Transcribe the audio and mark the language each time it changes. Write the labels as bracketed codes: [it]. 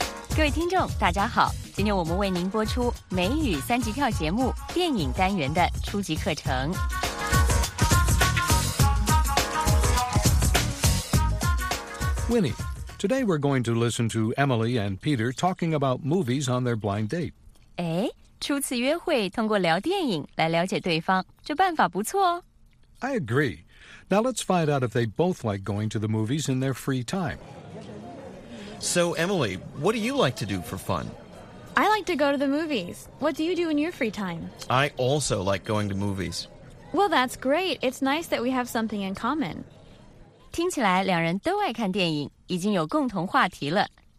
[zh] 各位听众大家好，今天我们为您播出美语三级跳节目电影单元的初级课程。 [en] Winnie, today we're going to listen to Emily and Peter talking about movies on their blind date. 哎，初次约会通过聊电影来了解对方，这办法不错哦。 I agree. Now let's find out if they both like going to the movies in their free time. So, Emily, what do you like to do for fun? I like to go to the movies. What do you do in your free time? I also like going to movies. Well, that's great. It's nice that we have something in common. [zh] 听起来两人都爱看电影，已经有共同话题了。